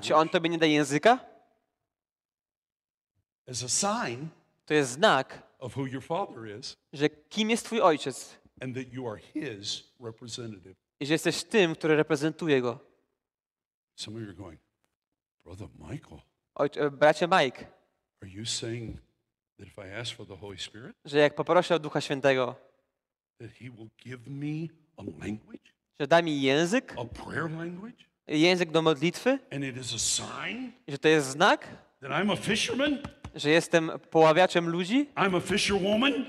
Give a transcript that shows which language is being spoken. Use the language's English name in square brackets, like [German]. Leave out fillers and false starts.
[Polish] Czy on tobie nie da języka? [English] As a sign, [Polish] to jest znak, [English] of who your father is, [Polish] że kim jest twój ojciec, [English] and that you are his representative. [Polish] I że jesteś tym, który reprezentuje go. [English] Some of you are going, Brother Michael. [Polish] Bracie Mike. [English] Are you saying that if I ask for the Holy Spirit, [Polish] że jak poproszę o Ducha Świętego, [English] that he will give me a language, [Polish] że da mi język, [English] a prayer language, [Polish] język do modlitwy, [English] and it is a sign, [Polish] że to jest znak, [English] that I'm a fisherman, [Polish] że jestem poławiaczem ludzi, [English] I'm a fisherwoman,